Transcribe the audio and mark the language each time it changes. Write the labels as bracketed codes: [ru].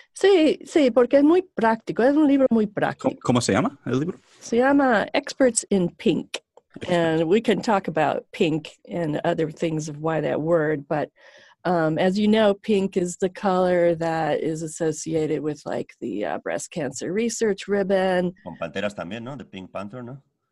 [es] Sí, porque es muy práctico, es un libro muy práctico. ¿Cómo se llama el libro? Se llama Experts in Pink. [en] And we can talk about pink and other things of why that word, but as you know, pink is the color that is associated with like the breast cancer research ribbon. [es] Con panteras también, ¿no? The Pink Panther, ¿no?